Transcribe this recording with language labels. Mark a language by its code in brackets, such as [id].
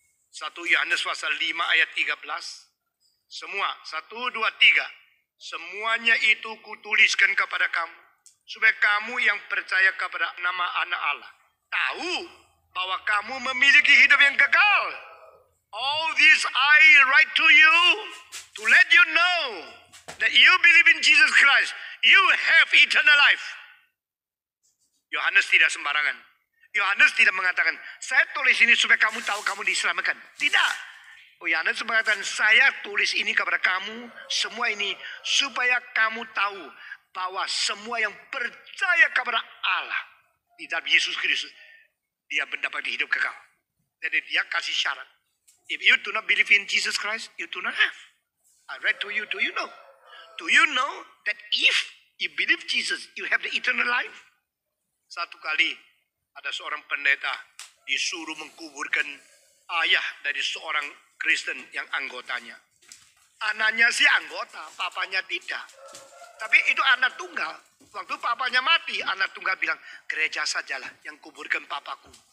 [id] 1 Yohanes pasal 5 ayat 13. Semua, 1, 2, 3. Semuanya itu kutuliskan kepada kamu. Supaya kamu yang percaya kepada nama anak Allah, tahu bahwa kamu memiliki hidup yang kekal. [en] All this I write to you to let you know that you believe in Jesus Christ, you have eternal life. [id] Yohanes tidak sembarangan. Yohanes tidak mengatakan, saya tulis ini supaya kamu tahu kamu diselamatkan. Tidak. Yohanes mengatakan, saya tulis ini kepada kamu semua ini supaya kamu tahu bahwa semua yang percaya kepada Allah di dalam Yesus Kristus, dia mendapat hidup kekal. Jadi dia kasih syarat. [en] If you do not believe in Jesus Christ, you do not have. I read to you, do you know? Do you know that if you believe Jesus, you have the eternal life? [id] Satu kali ada seorang pendeta disuruh menguburkan ayah dari seorang Kristen yang anggotanya. Anaknya si anggota, papanya tidak. Tapi itu anak tunggal. Waktu papanya mati, anak tunggal bilang, gereja sajalah yang kuburkan papaku.